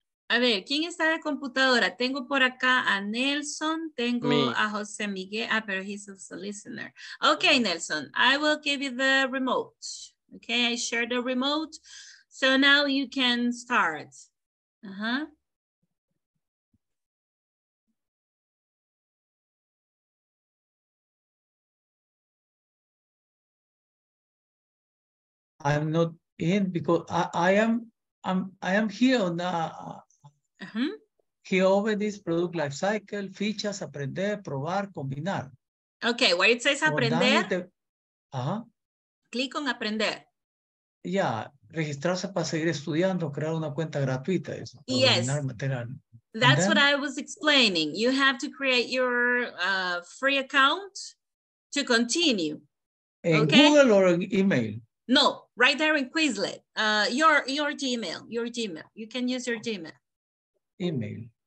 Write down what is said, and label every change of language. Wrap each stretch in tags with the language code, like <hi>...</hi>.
<es>A ver, ¿quién está de computadora? Tengo por acá a Nelson, tengo a José Miguel. Ah, pero</es> <en>he's a listener. Okay, Nelson, I will give you the remote. Okay, I share the remote. So now you can start. Uh-huh. I'm not in because I am here on the... Uh-huh. He opened this product life cycle,</en> <es>fichas, aprender, probar, combinar.</es> <en>Okay, where it says aprender. Uh-huh. Click on aprender.</en> <es>Yeah, registrarse para seguir estudiando, crear una cuenta gratuita. Eso,</es> <en>yes, material. That's what I was explaining. You have to create your free account to continue. In Google or in email? No, right there in Quizlet. Your Gmail, your Gmail. You can use your Gmail. Email.</en>